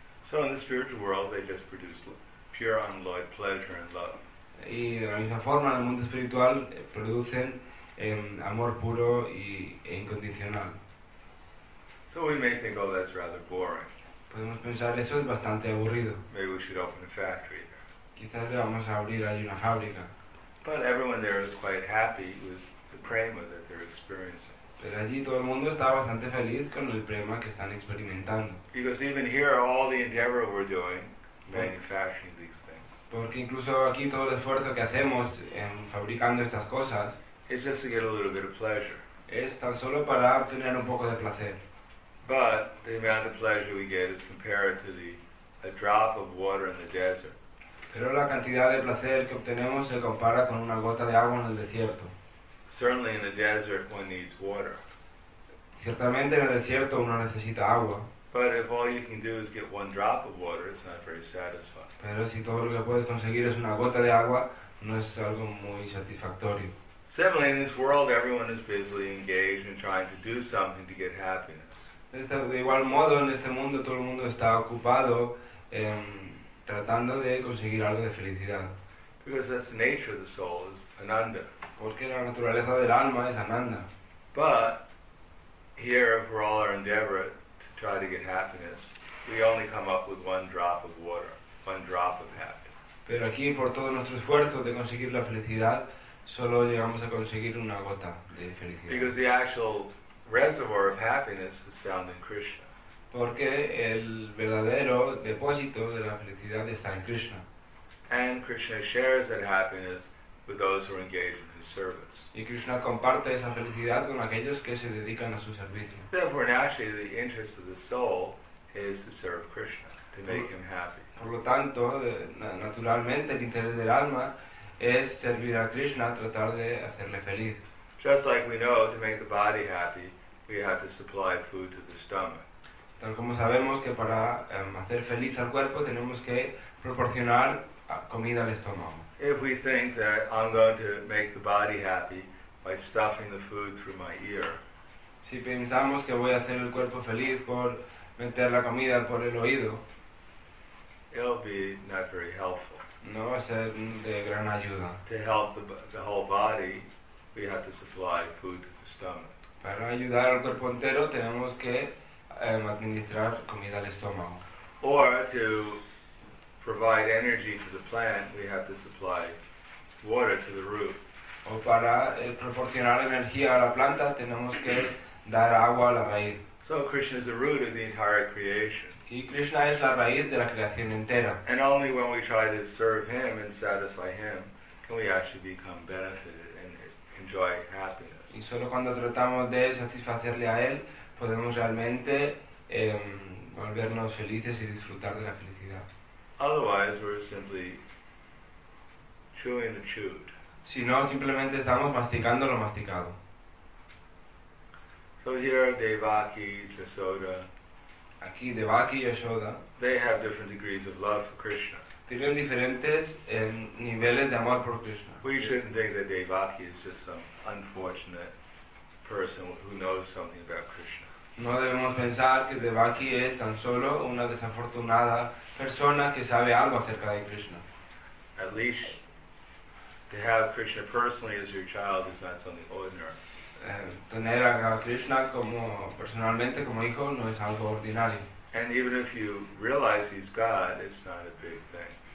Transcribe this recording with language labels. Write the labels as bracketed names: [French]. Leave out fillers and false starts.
[English] So in the spiritual world they just produce pure unalloyed pleasure and love. [Spanish] Y de la misma forma en el mundo espiritual producen amor puro e incondicional. [English] So we may think, oh, that's rather boring. [Spanish] Podemos pensar, eso es bastante aburrido. [English] Maybe we should open a factory there. [Spanish] Quizás debamos abrir ahí una fábrica. [English] But everyone there is quite happy with the prema that they're experiencing. [Spanish] Pero allí todo el mundo está bastante feliz con el prema que están experimentando. [English] Because even here all the endeavor we're doing, manufacturing these things. [Spanish] Porque incluso aquí todo el esfuerzo que hacemos en fabricando estas cosas [English] is just to get a little bit of pleasure. [Spanish] Es tan solo para obtener un poco de placer. [English] But the amount of pleasure we get is compared to a drop of water in the desert. [Spanish] Pero la cantidad de placer que obtenemos se compara con una gota de agua en el desierto. [English] Certainly in the desert one needs water. [Spanish] Ciertamente en el desierto uno necesita agua. [English] But if all you can do is get one drop of water, it's not very satisfying. [Spanish] Pero si todo lo que puedes conseguir es una gota de agua, no es algo muy satisfactorio. [English] Similarly, in this world, everyone is busily engaged in trying to do something to get happiness. [Spanish] De igual modo, en este mundo, todo el mundo está ocupado tratando de conseguir algo de felicidad. [English] Because that's the nature of the soul, is ananda. [Spanish] Porque la naturaleza del alma es ananda. [English] But here, for all our endeavor to try to get happiness, we only come up with one drop of water, one drop of happiness. [Spanish] Pero aquí, por todo nuestro esfuerzo de conseguir la felicidad, solo llegamos a conseguir una gota de felicidad. [English] Because the actual reservoir of happiness is found in Krishna. [Spanish] Porque el verdadero depósito de la felicidad está en Krishna. [English] And Krishna shares that happiness with those who are engaged in his service. [Spanish] Y Krishna comparte esa felicidad con aquellos que se dedican a su servicio. [English] Therefore, naturally, the interest of the soul is to serve Krishna, to make him happy. [Spanish] Por lo tanto, naturalmente, el interés del alma es servir a Krishna, tratar de hacerle feliz. [English] Just like we know, to make the body happy, we have to supply food to the stomach. [Spanish] Tal como sabemos que para hacer feliz al cuerpo tenemos que proporcionar comida al estómago. [English] If we think that I'm going to make the body happy by stuffing the food through my ear. [Spanish] Si pensamos que voy a hacer el cuerpo feliz por meter la comida por el oído, [English] it'll be not very helpful. [Spanish] No va a ser de gran ayuda. [English] To help the whole body, we have to supply food to the stomach. [Spanish] Para ayudar al cuerpo entero tenemos que administrar comida al estómago. [English] Or to provide energy to the plant, we have to supply water to the root. [Spanish] O para proporcionar energía a la planta, tenemos que dar agua a la raíz. [English] So Krishna is the root of the entire creation. [Spanish] Y Krishna es la raíz de la creación entera. [English] And only when we try to serve him and satisfy him, can we actually become benefited and enjoy happiness. [Spanish] Y solo cuando tratamos de satisfacerle a él, podemos realmente volvernos felices y disfrutar de la felicidad. [English] Otherwise, we're simply chewing the chewed. [Spanish] Si no, simplemente estamos masticando lo masticado. [English] So here, Devaki, Yashoda. [Spanish] Aquí Devaki y Yashoda. [English] They have different degrees of love for Krishna. [Spanish] Tienen diferentes niveles de amor por Krishna. [English] We shouldn't think that Devaki is just some unfortunate person who knows something about Krishna. [Spanish] No debemos pensar que Devaki es tan solo una desafortunada persona que sabe algo acerca de Krishna. [English] At least to have Krishna personally as your child is not something ordinary. [Spanish] Tener a Krishna personalmente como hijo no es algo ordinario. [English] And even if you realize he's God, it's not a big thing.